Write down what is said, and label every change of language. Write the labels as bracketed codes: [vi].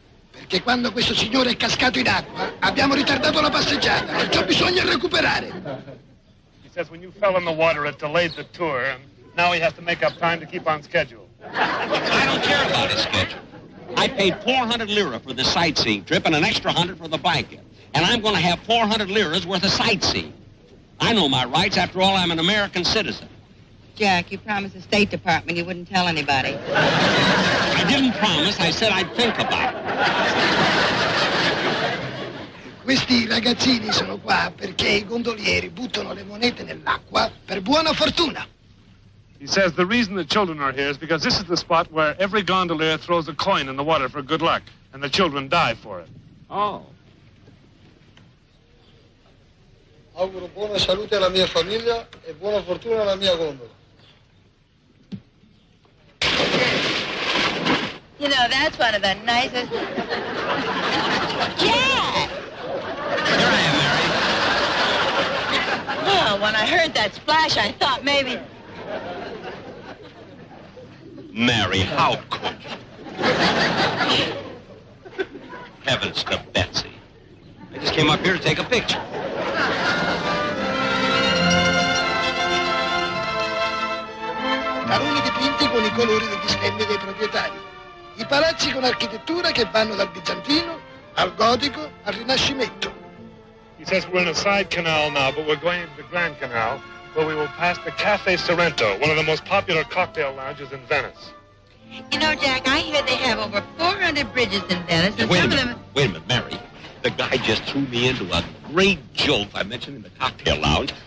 [it] Perché quando questo signore è cascato in acqua, abbiamo ritardato la passeggiata. Perciò bisogna recuperare. [en] He says when you fell in the water, it delayed the tour, and now he has to make up time to keep on schedule. I don't care about his schedule. I paid 400 lira for the sightseeing trip and an extra 100 for the biking. And I'm going to have 400 liras worth of sightseeing. I know my rights. After all, I'm an American citizen. Jack, you promised the State Department you wouldn't tell anybody. I didn't promise. I said I'd think about it. [it] Questi ragazzini sono qua perché I gondolieri buttano le monete nell'acqua per buona fortuna. [en] He says the reason the children are here is because this is the spot where every gondolier throws a coin in the water for good luck, and the children die for it. Oh. [it] Auguro buona salute alla mia famiglia e buona fortuna alla mia gondola. [en] You know, that's one of the nicest... Jack! Here I am, Mary. Well, when I heard that splash, I thought maybe... Mary, how could you? Heavens to Betsy. I just came up here to take a picture. [it] Taroni dipinti con I colori degli stemmi dei proprietari. I palazzi con architettura che vanno dal bizantino al gotico al rinascimento. [en] He says we're in a side canal now, but we're going into the Grand Canal, where we will pass the Cafe Sorrento, one of the most popular cocktail lounges in Venice. You know, Jack, I hear they have over 400 bridges in Venice. Wait a minute, Mary. The guy just threw me into a great joke by mentioning the cocktail lounge.